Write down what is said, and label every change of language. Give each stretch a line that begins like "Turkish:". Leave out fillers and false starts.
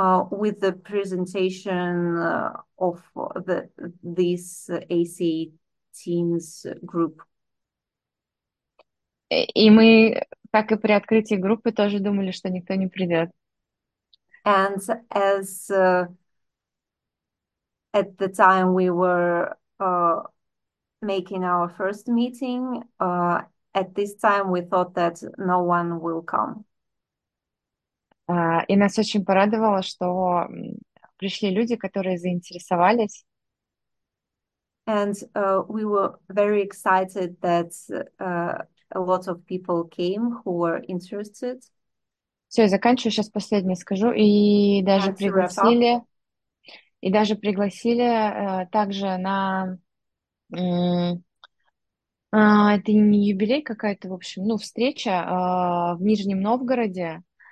English: with the presentation of this AC teams group.
Russian: И мы, как и при открытии группы, тоже думали, что никто не придет.
English: And as At the time we were making our first meeting, at this time we thought that no one will come.
Russian: И нас очень порадовало, что пришли люди, которые заинтересовались.
English: And we were very excited that a lot of people came who were interested.
Russian: Все, я заканчиваю, сейчас последнее скажу. И даже
English: And to wrap up.
Russian: пригласили, также на это не юбилей какая-то, в общем, ну, встреча в Нижнем Новгороде.